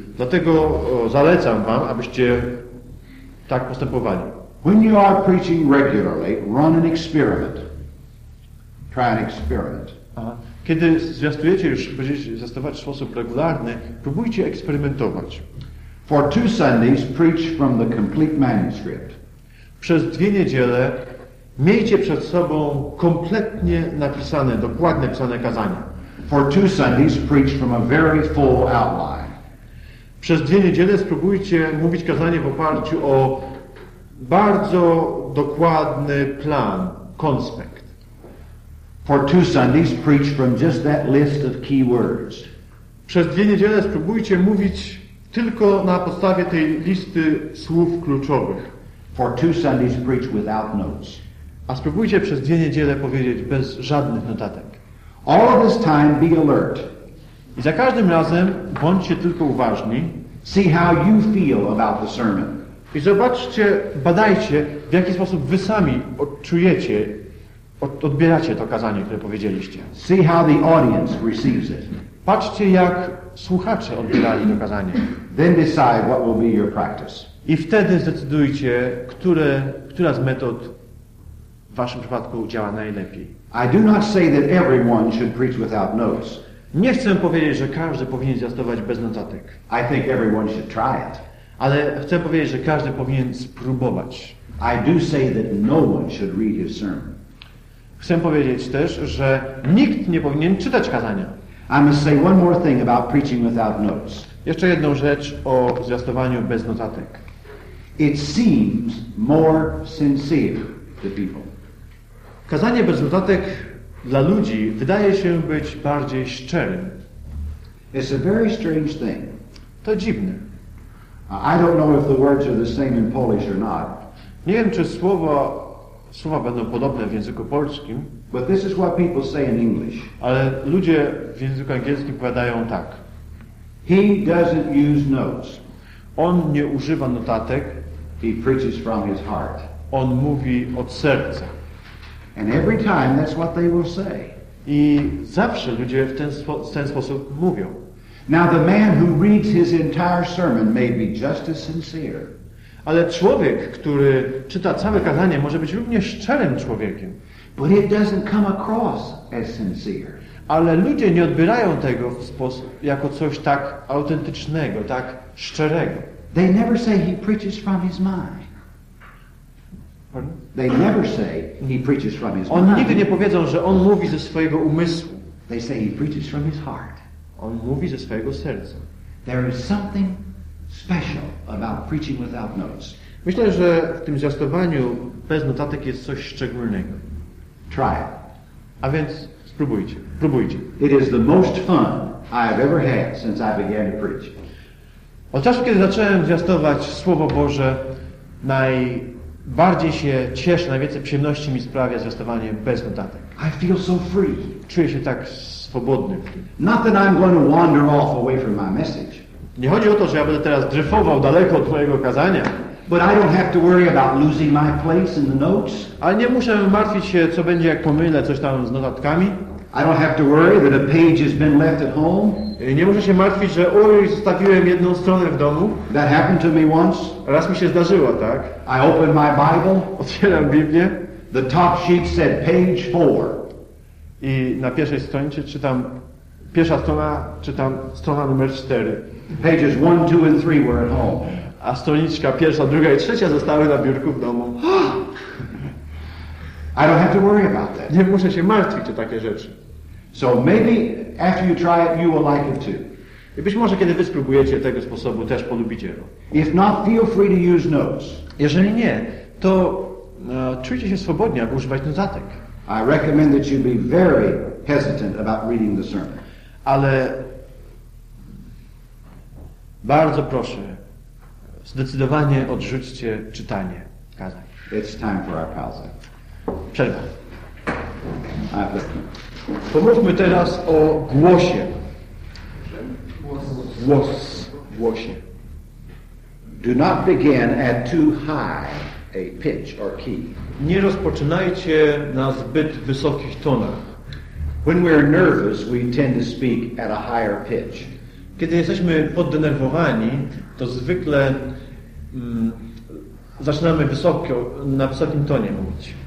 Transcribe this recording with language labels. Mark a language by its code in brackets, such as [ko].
[pl] Dlatego zalecam wam, abyście tak postępowali. [en] When you are preaching regularly, run an experiment. Try an experiment. Aha. [pl] Kiedy zwiastujecie już, będziecie zwiastować w sposób regularny, próbujcie eksperymentować. [en] For two Sundays, preach from the complete manuscript. [pl] Przez dwie niedziele miejcie przed sobą kompletnie napisane, dokładnie napisane kazania. [en] For two Sundays, preach from a very full outline. [pl] Przez dwie niedziele spróbujcie mówić kazanie w oparciu o bardzo dokładny plan, konspekt. [en] For two Sundays, preach from just that list of key words. [pl] Przez dwie niedziele spróbujcie mówić tylko na podstawie tej listy słów kluczowych. [en] For two Sundays preach without notes. [pl] A spróbujcie przez dwie niedziele powiedzieć bez żadnych notatek. [en] All this time be alert. [pl] I za każdym razem bądźcie tylko uważni. [en] See how you feel about the sermon. [pl] I zobaczcie, badajcie, w jaki sposób wy sami odczujecie, odbieracie to kazanie, które powiedzieliście. [en] See how the audience receives it. [pl] Patrzcie, jak słuchacze odbierali to kazanie. [en] Then decide what will be your practice. [pl] I wtedy zdecydujcie, która z metod w waszym przypadku działa najlepiej. [en] I do not say that everyone should preach without notes. [pl] Nie chcę powiedzieć, że każdy powinien zwiastować bez notatek. [en] I think everyone should try it. [pl] Ale chcę powiedzieć, że każdy powinien spróbować. [en] I do say that no one should read his sermon. [pl] Chcę powiedzieć też, że nikt nie powinien czytać kazania. [en] I must say one more thing about preaching without notes. [pl] Jeszcze jedną rzecz o zwiastowaniu bez notatek. [en] It seems more sincere to people. [pl] Kazanie bez notatek dla ludzi wydaje się być bardziej szczerym. [en] It's a very strange thing. [pl] To dziwne. [en] I don't know if the words are the same in Polish or not. [pl] Nie wiem, czy słowa będą podobne w języku polskim. [en] But this is what people say in English. [pl] Ale ludzie w języku angielskim powiadają tak. [en] He doesn't use notes. [pl] On nie używa notatek. [en] He preaches from his heart. [pl] On mówi od serca. [en] And every time that's what they will say. [pl] I zawsze ludzie w ten sposób mówią. [en] Now the man who reads his entire sermon may be just as sincere. [pl] Ale człowiek, który czyta całe kazanie, może być równie szczerym człowiekiem. [en] But it doesn't come across as sincere. [pl] Ale ludzie nie odbierają tego w sposób jako coś tak autentycznego, tak szczerego. [en] They never say he preaches from his mind. Pardon? They never say he preaches from his mind. [pl] On nigdy nie powiedzą, że on mówi ze swojego umysłu. [en] They say he preaches from his heart. [pl] On mówi ze swojego serca. [en] There is something special about preaching without notes. [pl] Myślę, że w tym zwiastowaniu bez notatek jest coś szczególnego. [en] Try it. [pl] A więc spróbujcie. Próbujcie. [en] It is the most fun I have ever had since I began to preach. [pl] Od czasu, kiedy zacząłem zwiastować Słowo Boże, najbardziej się cieszę, najwięcej przyjemności mi sprawia zwiastowanie bez notatek. [en] I feel so free. [pl] Czuję się tak swobodny. [en] Not that I'm going to wander off away from my message. [pl] Nie chodzi o to, że ja będę teraz dryfował daleko od Twojego kazania. [en] But I don't have to worry about losing my place in the notes. [pl] Ale nie muszę martwić się, co będzie, jak pomylę coś tam z notatkami. [en] I don't have to worry that a page has been left at home. [pl] Nie muszę się martwić, że zostawiłem jedną stronę w domu. [en] That happened to me once. [pl] Raz mi się zdarzyło, tak. [en] I opened my Bible. [pl] Otwieram Biblię. [en] The top sheet said page 4. [pl] I na pierwszej stronie czytam, pierwsza strona, czytam strona numer 4. [en] Pages 1, 2 and 3 were at home. [pl] A stoliczka pierwsza, druga i trzecia zostały na biurku w domu. [en] I don't have to worry about that. [pl] Nie muszę się martwić o takie rzeczy. [en] So maybe after you try it, you will like it too. [pl] I być może kiedy wy spróbujecie tego sposobu, też polubicie go. [en] If not, feel free to use notes. [pl] Jeżeli nie, to czujcie się swobodnie, aby używać notatek. [en] I recommend that you be very hesitant about reading the sermon. [pl] Ale bardzo proszę, zdecydowanie odrzućcie czytanie kazań. [en] It's time for our pause. [pl] Przerwa. Pomówmy teraz o głosie. Głos. Głosie. [en] Do not begin at too high a pitch or key. [pl] Nie rozpoczynajcie na zbyt wysokich tonach. [en] When we are nervous, we tend to speak at a higher pitch. [pl] Kiedy jesteśmy poddenerwowani, to zwykle zaczynamy na wysokim tonie mówić.